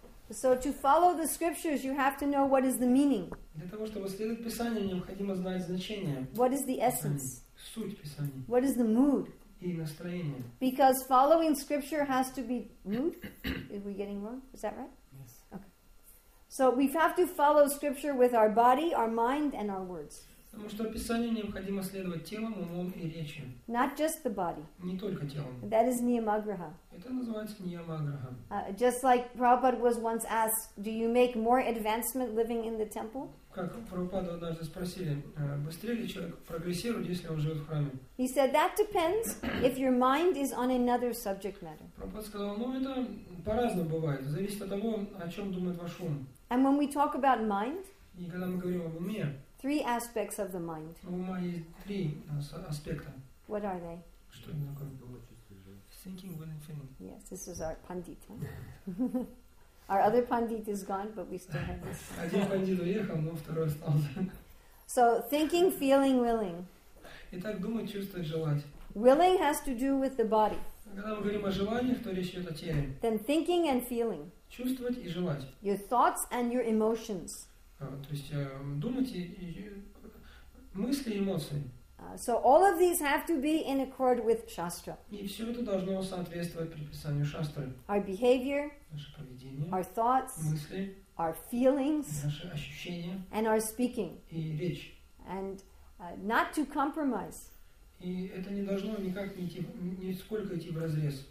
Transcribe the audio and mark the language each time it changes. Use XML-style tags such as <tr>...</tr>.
<en>So to follow the scriptures, you have to know what is the meaning.</en> <ru>Для того чтобы следовать Писанию, необходимо знать значение.</ru> <en>What is the essence?</en> <ru>Суть Писания.</ru> <en>What is the mood?</en> <ru>И настроение.</ru> <en>Because following scripture has to be mood. Are we getting wrong? Is that right? Yes. Okay. So we have to follow scripture with our body, our mind, and our words.</en> <ru>Потому что Писанию необходимо следовать телом, умом и речью.</ru> <en>Not just the body.</en> <ru>Не только телом.</ru> <en>That is Niyamagraha.</en> <ru>Это называется Niyamagraha.</ru> <en>Just like Prabhupada was once asked, do you make more advancement living in the temple?</en> <ru>Как Прабхупада однажды спросили, быстрее ли человек прогрессирует, если он живет в храме?</ru> <en>He said, that depends if your mind is on another subject matter.</en> <ru>Прабхупада сказал, ну это по-разному бывает. Зависит от того, о чем думает ваш ум.</ru> <en>And when we talk about mind,</en> <ru>и когда мы говорим об уме,</ru> <en>three aspects of the mind.</en> <ru>Ума есть три аспекта.</ru> <en>What are they?</en> <ru>Что именно такое?</ru> <en>Thinking, will, and feeling. Yes, this is our pandit. Our other pandit is gone, but we still have this.</en> <ru>Один пандит уехал, но второй остался.</ru> <en>So, thinking, feeling, willing.</en> <ru>Итак, думать, чувствовать, желать.</ru> <en>Willing has to do with the body.</en> <ru>Когда мы говорим о желаниях, то речь идет о теле.</ru> <en>Then thinking and feeling.</en> <ru>Чувствовать и желать.</ru> <en>Your thoughts and your emotions.</en> <ru>То есть думать и мысли и эмоции.</ru> <en>So all of these have to be in accord with Shastra.</en> <ru>И все это должно соответствовать предписанию Шастры.</ru> <en>Our behavior,</en> <ru>наше поведение,</ru> <en>our thoughts,</en> <ru>мысли,</ru> <en>our feelings,</en> <ru>наши ощущения,</ru> <en>and our speaking.</en> <ru>И речь.</ru> <en>And not to compromise.</en> <ru>И это не должно никак нисколько идти в разрез.</ru>